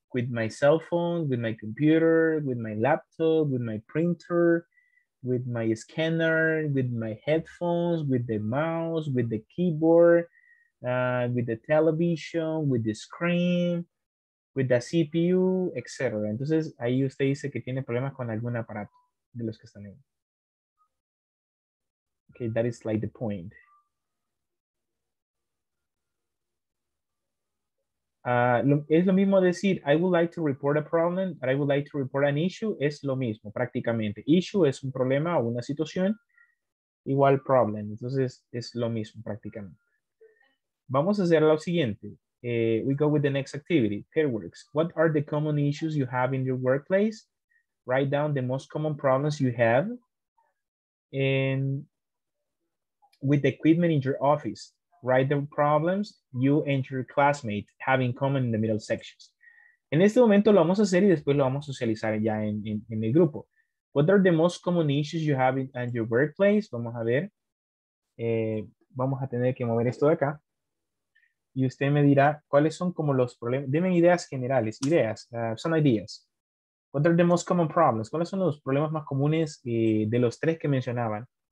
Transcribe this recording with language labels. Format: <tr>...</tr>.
<en>With my cell phone, with my computer, with my laptop, with my printer, with my scanner, with my headphones, with the mouse, with the keyboard, with the television, with the screen, with the CPU, etc.</en> <es>Entonces, ahí usted dice que tiene problemas con algún aparato de los que están ahí.</es> <en>Okay, that is like the point.</en> <es>Es lo mismo decir,</es> <en>I would like to report a problem, or I would like to report an issue,</en> <es>es lo mismo prácticamente. Issue es un problema o una situación, igual problem. Entonces, es lo mismo prácticamente. Vamos a hacer lo siguiente.</es> <en>We go with the next activity, pair works. What are the common issues you have in your workplace? Write down the most common problems you have and with the equipment in your office. Write the problems you and your classmates have in common in the middle sections.</en> <es>En este momento lo vamos a hacer y después lo vamos a socializar ya en el grupo.</es> <en>What are the most common issues you have in your workplace?</en> <es>Vamos a ver. Vamos a tener que mover esto de acá. Y usted me dirá, ¿cuáles son como los problemas? Deme ideas generales,</es> <en>ideas, some ideas. What are the most common problems?</en> <es>¿Cuáles son los problemas más comunes de los tres que mencionaban?</es>